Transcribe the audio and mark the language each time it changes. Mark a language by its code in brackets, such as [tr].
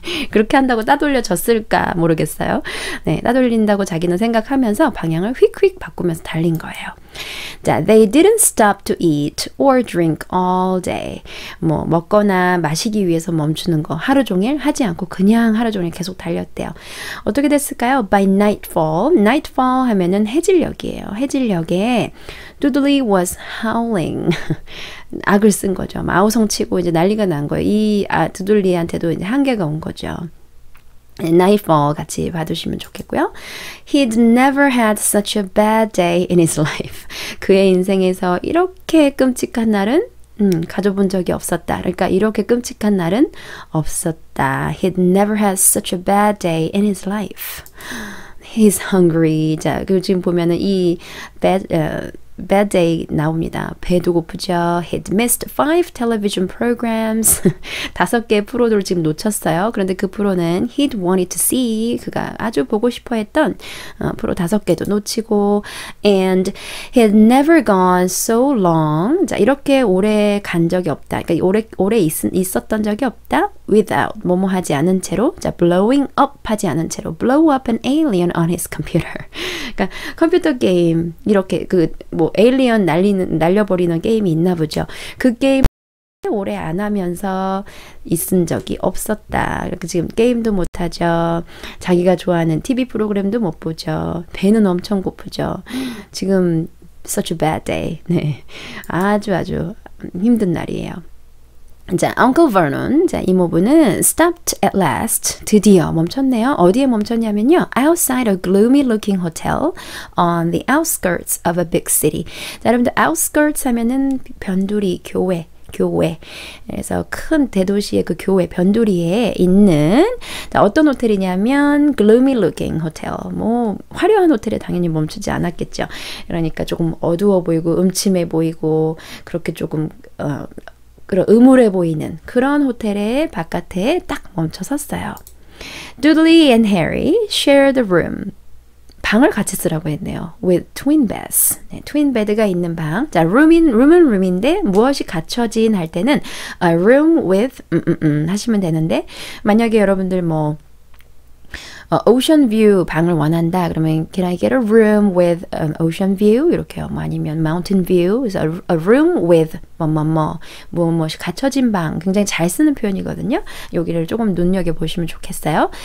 [ko] 그렇게 한다고 따돌려졌을까 모르겠어요. 네, 따돌린다고 자기는 생각하면서 방향을 휙휙 바꾸면서 달린 거예요. [en] 자, they didn't stop to eat or drink all day. [ko] 뭐 먹거나 마시기 위해서 멈추는 거 하루 종일 하지 않고 그냥 하루 종일 계속 달렸대요. 어떻게 됐을까요? [en] By nightfall. [ko] Nightfall 하면은 해질녘이에요. 해질녘에 [en] Dudley was howling. [ko] 악을 쓴 거죠. 아우성 치고 이제 난리가 난 거예요. 두둘리한테도 이제 한계가 온 거죠. Nightfall 같이 봐두시면 좋겠고요. [en] He'd never had such a bad day in his life. [ko] 그의 인생에서 이렇게 끔찍한 날은 가져본 적이 없었다. 그러니까 이렇게 끔찍한 날은 없었다. [en] He'd never had such a bad day in his life. He's hungry. [ko] 자, 그리고 지금 보면은 이 bad day 나옵니다. 배도 고프죠. [en] He'd missed five television programs. [ko] 다섯 개 프로를 지금 놓쳤어요. 그런데 그 프로는 [en] he'd wanted to see. [ko] 그가 아주 보고 싶어 했던 프로 다섯 개도 놓치고. [en] And he'd never gone so long. [ko] 자, 이렇게 오래 간 적이 없다. 그러니까 오래 있었던 적이 없다. [en] Without [ko] 뭐뭐 하지 않은 채로, [en] 자, blowing up [ko] 하지 않은 채로, [en] blow up an alien on his computer. [ko] 그러니까 컴퓨터 게임 이렇게 그뭐 에일리언 날려버리는 게임이 있나 보죠. 그 게임 오래 안 하면서 있은 적이 없었다. 이렇게 지금 게임도 못 하죠. 자기가 좋아하는 TV 프로그램도 못 보죠. 배는 엄청 고프죠. 지금 [en] such a bad day. [ko] 네, 아주 아주 힘든 날이에요. [en] 자, Uncle Vernon, 자, [ko] 이모부는 [en] stopped at last. [ko] 드디어 멈췄네요. 어디에 멈췄냐면요. [en] Outside a gloomy looking hotel on the outskirts of a big city. [ko] 자, 여러분들, outskirts 하면은 변두리, 교외. 그래서 큰 대도시의 그 교외, 변두리에 있는 자, 어떤 호텔이냐면 gloomy looking hotel. 뭐, 화려한 호텔에 당연히 멈추지 않았겠죠. 그러니까 조금 어두워 보이고, 음침해 보이고, 그렇게 조금, 그런 음울해 보이는 그런 호텔의 바깥에 딱 멈춰 섰어요. [en] Dudley and Harry share the room. [ko] 방을 같이 쓰라고 했네요. [en] With twin beds. [ko] 네, twin bed가 있는 방. 자, room은 room인데 무엇이 갖춰진 할 때는 a room with 하시면 되는데 만약에 여러분들 뭐 오션 뷰 방을 원한다. 그러면 [en] can I get a room with an ocean view? [ko] 이렇게요. 뭐 아니면 [en] mountain view. a room with [ko] 뭐뭐뭐 무엇이 갖춰진 방. 굉장히 잘 쓰는 표현이거든요. 여기를 조금 눈여겨 보시면 좋겠어요.